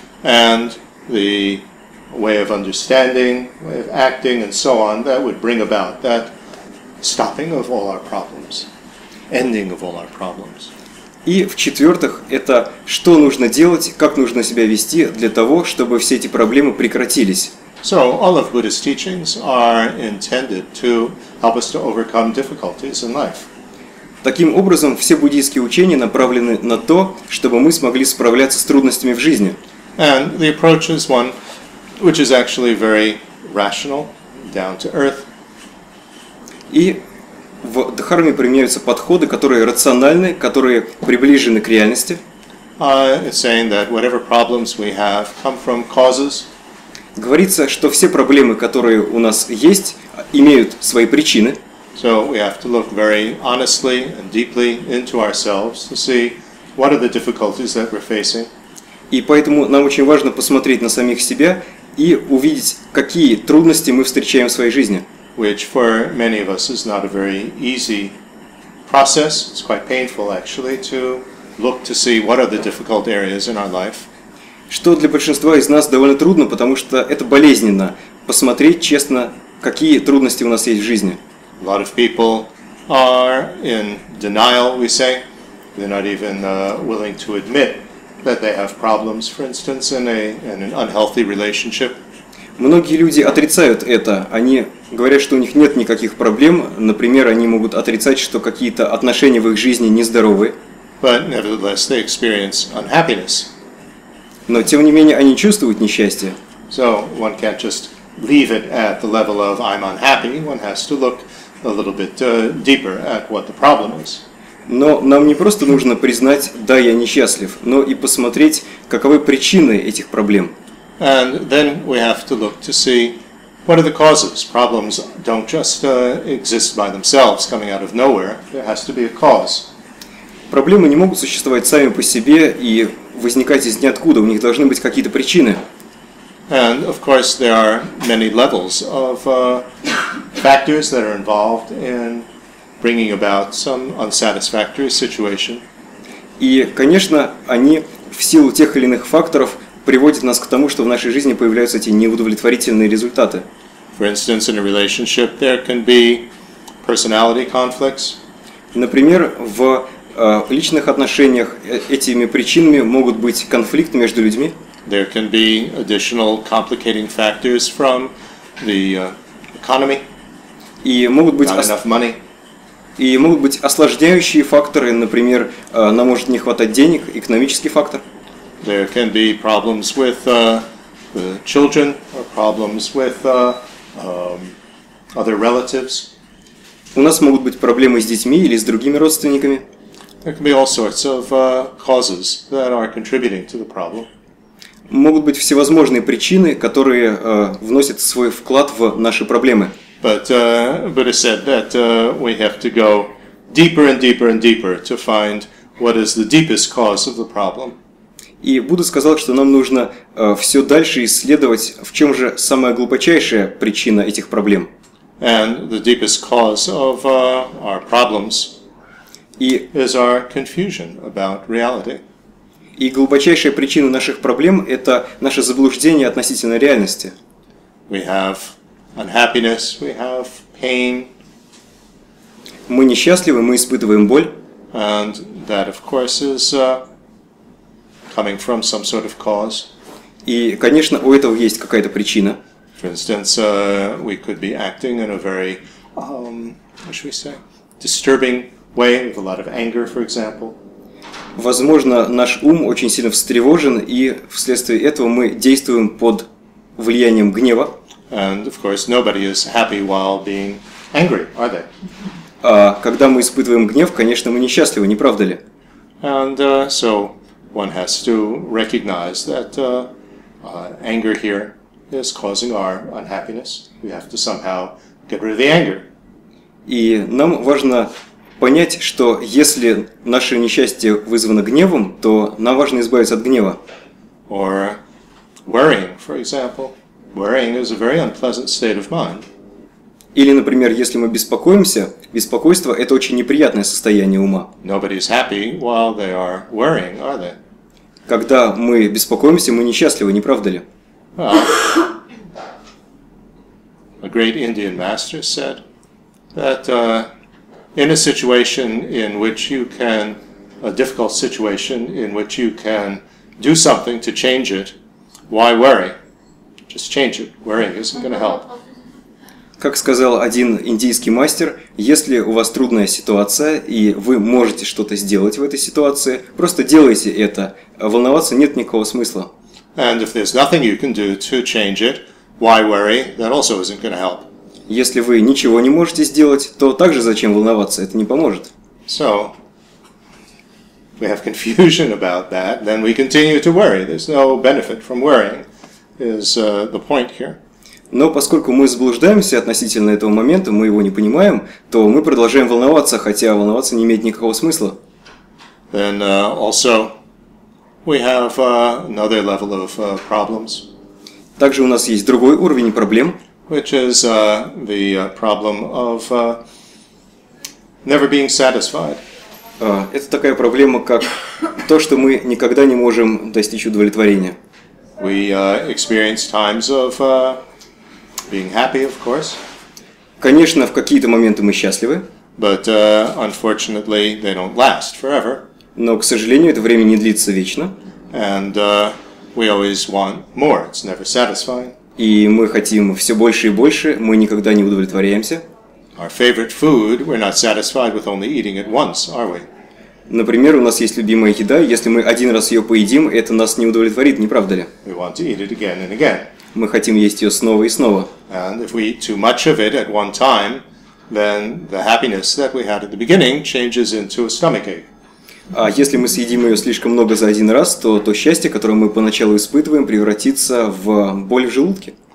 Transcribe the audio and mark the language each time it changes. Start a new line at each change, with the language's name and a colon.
English: And the way of understanding, way of acting, and so on, that would bring about that stopping of all our problems, ending of all our problems.
Russian: И в-четвертых, это что нужно делать, как нужно себя вести для того, чтобы все эти проблемы прекратились.
English: So all of Buddhist teachings are intended to help us to overcome difficulties in life.
Russian: Таким образом, все буддийские учения направлены на то, чтобы мы смогли справляться с трудностями в жизни.
English: And the approach is one which is actually very rational, down to earth.
Russian: И в Дхарме применяются подходы, которые рациональны, которые приближены к реальности.
English: It's saying that whatever problems we have come from causes.
Russian: Говорится, что все проблемы, которые у нас есть, имеют свои причины.
English: So we have to look very honestly and deeply into ourselves to see what are the difficulties that we're facing.
Russian: И поэтому нам очень важно посмотреть на самих себя и увидеть, какие трудности мы встречаем в своей жизни.
English: Which for many of us is not a very easy process. It's quite painful actually to look to see what are the difficult areas in our life.
Russian: Что для большинства из нас довольно трудно, потому что это болезненно посмотреть честно какие трудности у нас есть в жизни.
English: A lot of people are in denial, we say. They're not even willing to admit that they have problems, for instance, in an unhealthy relationship.
Russian: Многие люди отрицают это. Они говорят, что у них нет никаких проблем. Например, они могут отрицать, что какие-то отношения в их жизни нездоровы.
English: But nevertheless, they experience unhappiness.
Russian: Но тем не менее, они чувствуют несчастье.
English: So one can't just leave it at the level of I'm unhappy. One has to look a little bit deeper at what the problem is.
Russian: Но нам не просто нужно признать, да, я несчастлив, но и посмотреть, каковы причины этих проблем.
English: And then we have to look to see what are the causes. Problems don't just exist by themselves, coming out of nowhere. There has to be a cause.
Russian: Проблемы не могут существовать сами по себе и возникать из ниоткуда. У них должны быть какие-то причины.
English: And of course, there are many levels of factors that are involved in bringing about some unsatisfactory situation.
Russian: И, конечно, они в силу тех или иных факторов приводят нас к тому, что в нашей жизни появляются эти неудовлетворительные результаты.
English: For instance, in a relationship, there can be personality conflicts.
Russian: Например, в личных отношениях этими причинами могут быть конфликт между людьми.
English: There can be additional complicating factors from the economy.
Russian: И могут быть
English: not enough money.
Russian: И могут быть осложняющие факторы, например, нам может не хватать денег, экономический фактор.
English: There can be problems with the children or problems with other relatives.
Russian: У нас могут быть проблемы с детьми или с другими родственниками.
English: There can be all sorts of causes that are contributing to the problem.
Russian: Могут быть всевозможные причины, которые вносят свой вклад в наши проблемы.
English: But Buddha said that we have to go deeper and deeper and deeper to find what is the deepest cause of the problem.
Russian: И Будда сказал, что нам нужно все дальше исследовать, в чем же самая глубочайшая причина этих проблем.
English: And the deepest cause of our problems is our confusion about reality.
Russian: И глубочайшая причина наших проблем – это наше заблуждение относительно реальности.
English: We have unhappiness, we have pain.
Russian: Мы несчастливы, мы испытываем боль.
English: And that, of course, is coming from some sort of cause.
Russian: И, конечно, у этого есть какая-то причина.
English: For instance, we could be acting in a very, what should we say, disturbing way, with a lot of anger, for example.
Russian: Возможно, наш ум очень сильно встревожен, и вследствие этого мы действуем под влиянием гнева.
English: And of course, nobody is happy while being angry, are they?
Russian: Когда мы испытываем гнев, конечно, мы несчастливы, не правда ли?
English: And so one has to recognize that anger here is causing our unhappiness. We have to somehow get rid of the anger.
Russian: И нам важно понять, что если наше несчастье вызвано гневом, то нам важно избавиться от гнева.
English: Or worrying, for example. Worrying is a very unpleasant state of mind.
Russian: Или, например, если мы беспокоимся, беспокойство – это очень неприятное состояние ума.
English: Nobody is happy while they are worrying, are they?
Russian: Когда мы беспокоимся, мы несчастливы, не правда ли?
English: Well, a great Indian master said that in a situation in which you can, a difficult situation in which you can do something to change it, why worry? Just change it. Worrying isn't going to help.
Russian: Как сказал один индийский мастер, если у вас трудная ситуация и вы можете что-то сделать в этой ситуации, просто делайте это. Волноваться нет никакого смысла.
English: And if there's nothing you can do to change it, why worry? That also isn't going to help.
Russian: Если вы ничего не можете сделать, то также зачем волноваться? Это не поможет.
English: So we have confusion about that. Then we continue to worry. There's no benefit from worrying. Is the point here.
Russian: Но поскольку мы заблуждаемся относительно этого момента, мы его не понимаем, то мы продолжаем волноваться, хотя волноваться не имеет никакого смысла.
English: Then also we have another level of problems.
Russian: Также у нас есть другой уровень проблем,
English: which is the problem of never being satisfied.
Russian: Это такая проблема, как то, что мы никогда не можем достичь удовлетворения.
English: We experience times of being happy, of course.
Russian: Конечно, в какие-то моменты мы счастливы.
English: But unfortunately, they don't last forever.
Russian: Но, к сожалению, это время не длится вечно.
English: And we always want more. It's never satisfying.
Russian: И мы хотим все больше и больше. Мы никогда не удовлетворяемся.
English: Our favorite food, we're not satisfied with only eating it once, are we?
Russian: Например, у нас есть любимая еда. Если мы один раз ее поедим, это нас не удовлетворит, не правда ли?
English: We want to eat it again and again.
Russian: Мы хотим есть ее снова и снова.
English: And if we eat too much of it at one time, then the happiness that we had at the beginning changes into a stomach ache.
Russian: А если мы съедим ее слишком много за один раз, то то счастье, которое мы поначалу испытываем, превратится в боль в желудке.